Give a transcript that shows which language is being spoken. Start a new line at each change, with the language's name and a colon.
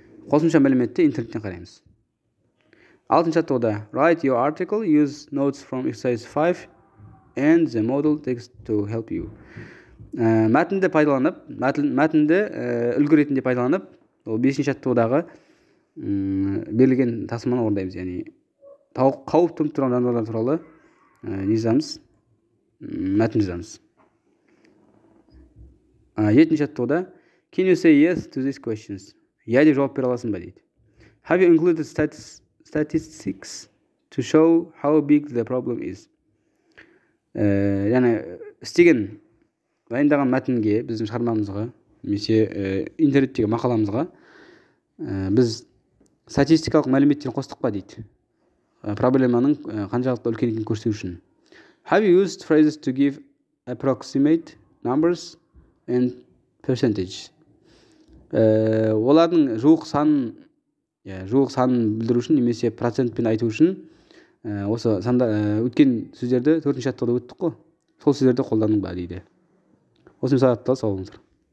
Kazakh: Қосымша мәліметті интернеттен қараймыз. Алтыншы жаттығуда
English: write your article, use notes from exercise 5 and the model text to help you.
Kazakh: Мәтінді пайдаланып, мәтінді үлгі ретінде пайдаланып, ол 5-ші жаттығудағы берілген тапсырманы орындаймыз. Яғни, қауіп төніп тұрған жануарлар туралы не жазамыз? Мәтін жазамыз. 7-ші жаттығуда
English: can you say yes to these questions?
Kazakh: Иә деп жауап бере аласың ба дейді.
English: Have you included statistics to show how big the problem is.
Kazakh: Яғни, істеген дайындаған мәтінге, біздің шығармамызға, немесе интернеттегі мақаламызға біз статистикалық мәліметтерді қостық па дейді. Проблеманың қаншалықты үлкен екенін көрсету үшін.
English: Have you used phrases to give approximate numbers and percentage?
Kazakh: Олардың жуық санын жуық санын білдіру үшін, немесе процентпен айту үшін осы санда өткен сөздерді 4-ші жаттығыда өттік қой, сол сөздерді қолданың ба дейді. Осы мысалы аттығы сау болыңыздар.